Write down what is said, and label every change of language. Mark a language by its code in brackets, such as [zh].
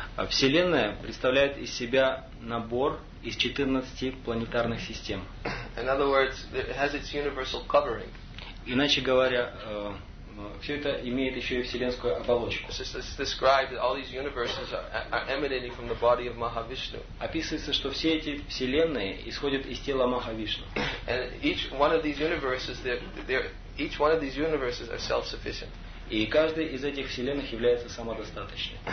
[ru] Вселенная представляет из себя набор из 14 планетарных систем. [en] In other words, it has its universal covering. [ru] Иначе говоря, все это имеет еще и вселенскую оболочку. [en] It's described that all these universes are emanating from the body of Mahavishnu. [ru] Описывается, что все эти вселенные исходят из тела Махавишну. [en] And each one of these universes, each one of these universes are self-sufficient. [ru] И каждый из этих вселенных является самодостаточным.